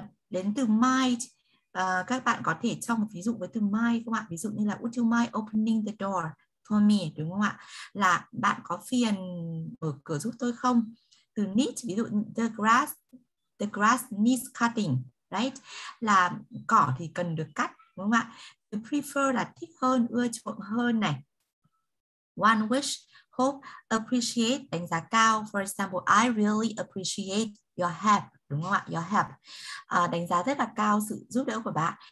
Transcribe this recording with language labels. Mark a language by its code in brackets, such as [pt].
[vi] Đến từ might, các bạn có thể cho một ví dụ với từ might không ạ? Ví dụ như là [en] would you mind opening the door for me, [vi] đúng không ạ? Là bạn có phiền mở cửa giúp tôi không? Từ need, ví dụ [en] the grass needs cutting, right? [vi] Là cỏ thì cần được cắt, đúng không ạ? [en] The prefer [vi] là thích hơn, ưa chuộng hơn này. [en] One wish, hope, appreciate, [vi] đánh giá cao. [en] For example, I really appreciate your help, [vi] đúng không ạ? [en] Your help, [vi] đánh giá rất là cao sự giúp đỡ của bạn.